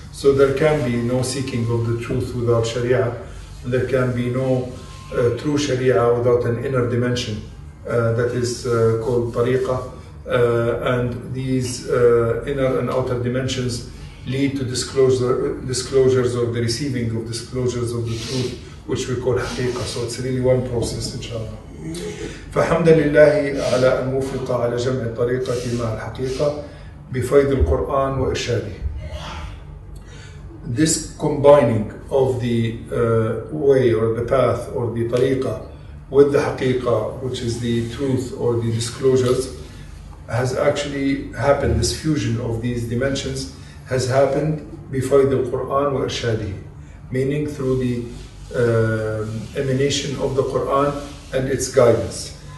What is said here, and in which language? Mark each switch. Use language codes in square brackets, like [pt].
[en] So there can be no seeking of the truth without Sharia, and there can be no true Sharia without an inner dimension that is called Tariqa. And these inner and outer dimensions lead to disclosures or the receiving of disclosures of the truth, which we call haqiqah. So it's really one process, inshallah. [ar] فحمد لله على أن وفق على جمع الطريقة مع الحقيقة بفيض القرآن وإرشاده. [en] This combining of the way or the path or the طريقة with the haqiqah, which is the truth or the disclosures, has actually happened. This fusion of these dimensions has happened [ar] بفيض القرآن وإرشاده, [en] meaning through the emanation of the Quran and its guidance.